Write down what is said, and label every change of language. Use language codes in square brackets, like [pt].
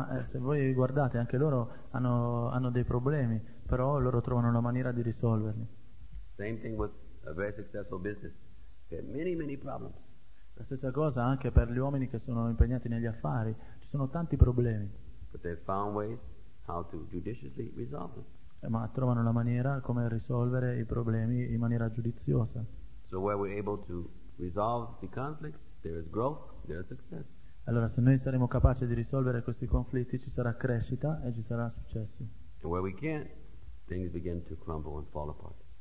[it] Se voi guardate, anche loro hanno dei problemi, però loro trovano una maniera di risolverli. [en] Same thing with a very successful business. They have many, many problems. [it] La stessa cosa anche per gli uomini che sono impegnati negli affari, ci sono tanti problemi. [en] But they found ways how to judiciously resolve them. [it] Ma trovano la maniera come risolvere i problemi in maniera giudiziosa. [en] So where we're able to resolve the conflicts, there is growth, there is success. [it] Allora, se noi saremo capaci di risolvere questi conflitti, ci sarà crescita e ci sarà successo. [en] And where we can't, things begin to crumble and fall apart.